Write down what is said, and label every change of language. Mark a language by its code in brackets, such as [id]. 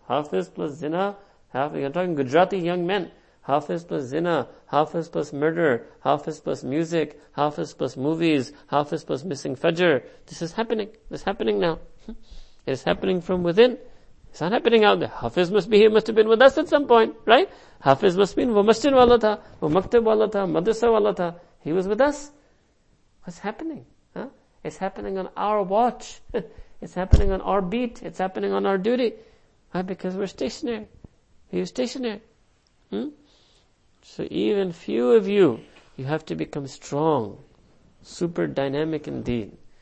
[en] Hafiz plus zina, hafiz. I'm talking Gujarati young men. Hafiz plus zina, hafiz plus murder, hafiz plus music, hafiz plus movies, hafiz plus missing fajr. This is happening. This is happening now. It is happening from within. It's not happening out there. Hafiz must be here, must have been with us at some point, right? Hafiz must be in [ur] وہ مسجد والا تھا، وہ مکتب والا تھا، مدرسہ والا تھا۔ [en] He was with us. What's happening? Huh? It's happening on our watch. It's happening on our beat. It's happening on our duty. Why? Because we're stationary. We're stationary. So even few of you, you have to become strong, super dynamic indeed.